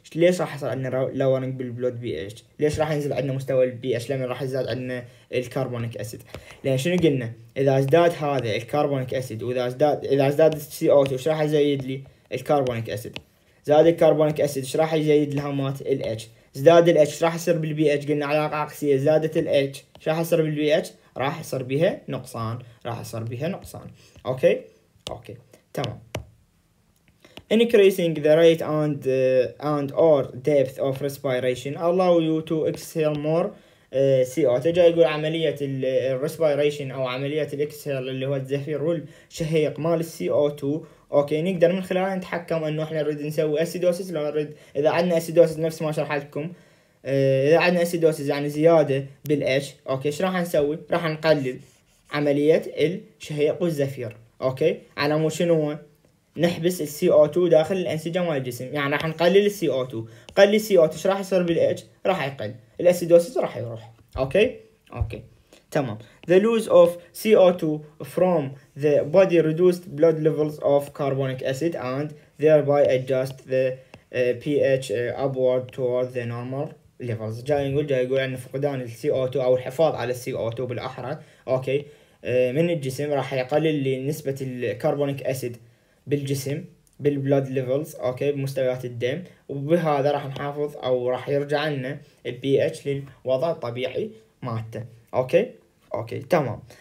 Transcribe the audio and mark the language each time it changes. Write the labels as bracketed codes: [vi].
[ar] ليش راح يصير عندنا lowering بالblood pH؟ ليش راح ينزل عندنا مستوى ال pH لما راح يزداد عندنا الكربونيك اسيد؟ لان شنو قلنا؟ اذا ازداد هذا الكربونيك اسيد واذا ازداد CO2 ايش راح يزيد لي؟ الكربونيك اسيد. زاد الكربونيك اسيد ايش راح يزيد لها مات؟ ال H. زاد ال H ايش راح يصير بال pH؟ قلنا علاقه عكسيه. زادت ال H ايش راح يصير بال pH؟ راح يصير بها نقصان، راح يصير بها نقصان. اوكي؟ اوكي تمام. [en] Increasing the rate and or depth of respiration allow you to exhale more CO2. [ar] جاي يقول عملية ال respiration أو عملية ال exhale اللي هو الزفير والشهيق مال CO2 أوكي نقدر من خلاله نتحكم إنه إحنا نريد نسوي acidosis لو نريد إذا عندنا acidosis نفس ما شرحت لكم إذا عندنا acidosis يعني زيادة بال H أوكي إيش راح نسوي؟ راح نقلل عملية الشهيق والزفير أوكي على مو شنو؟ نحبس ال CO2 داخل الانسجه مال الجسم، يعني راح نقلل ال CO2، قلل ال CO2 ايش راح يصير بال H؟ راح يقل، الاسيدوسيس راح يروح، اوكي؟ اوكي، تمام. [en] The loss of CO2 from the body reduced blood levels of carbonic acid and thereby adjust the pH upward toward the normal levels. [ar] جاي يقول ان فقدان ال CO2 او الحفاظ على ال CO2 بالاحرى، اوكي، من الجسم راح يقلل نسبة الكربونيك اسيد بالجسم بالبلود ليفلز اوكي بمستويات الدم وبهذا راح نحافظ او راح يرجع لنا البي اتش للوضع الطبيعي مالته اوكي اوكي تمام.